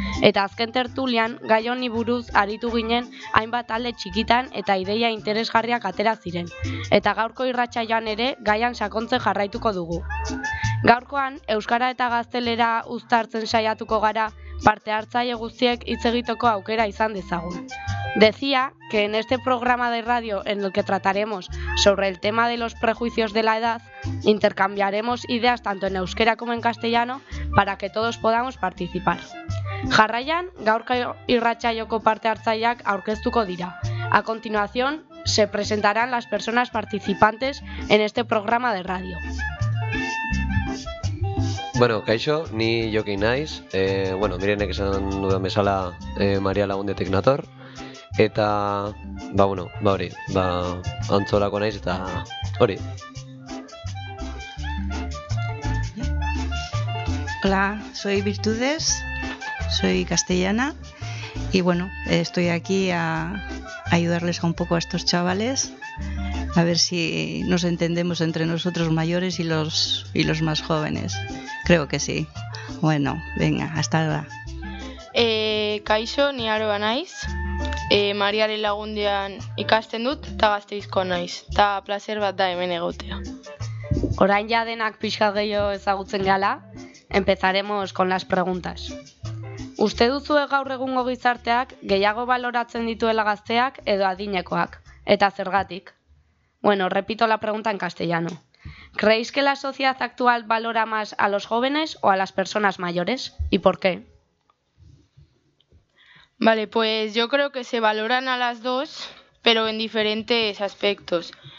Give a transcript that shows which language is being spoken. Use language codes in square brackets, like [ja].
[eu] Eta azken tertulian, gai honi buruz aritu ginen hainbat talde txikitan eta ideia interesgarriak atera ziren. Eta gaurko irratsaioan ere gaian sakontzen jarraituko dugu. Gaurkoan, euskara eta gaztelera uztartzen saiatuko gara, parte hartzaile guztiek hitz egiteko aukera izan dezagun. [es] Decía que en este programa de radio en el que trataremos sobre el tema de los prejuicios de la edad, intercambiaremos ideas tanto en euskera como en castellano para que todos podamos participar. [eu] Jarraian, gaurko irratsaioko parte hartzaileak aurkeztuko dira. [es] A continuación, se presentarán las personas participantes en este programa de radio. [eu] Bueno, kaixo, ni jokin naiz. Bueno, Mirenek esan duen bezala Maria Lagundetik nator. Eta, ba, bueno, ba, hori, ba, antzolako naiz eta hori. [es] Hola, soy Virtudes, soy castellana y bueno, estoy aquí a ayudarles un poco a estos chavales a ver si nos entendemos entre nosotros mayores y los más jóvenes. Creo que sí. Bueno, venga, hasta ahora. [eu] Kaixo, ni aroa naiz. Mariaren Lagundian ikasten dut eta Gasteizko naiz. Ta placer bat da hemen egotea. Orain ja denak pixka gehiago ezagutzen gala, [es] empezaremos con las preguntas. [eu] Uste duzu gaur egungo gizarteak gehiago baloratzen dituela gazteak edo adinekoak? Eta zergatik? [es] Bueno, repito la pregunta en castellano. ¿Creéis que la sociedad actual valora más a los jóvenes o a las personas mayores? ¿Y por qué? Vale, pues yo creo que se valoran a las dos, pero en diferentes aspectos.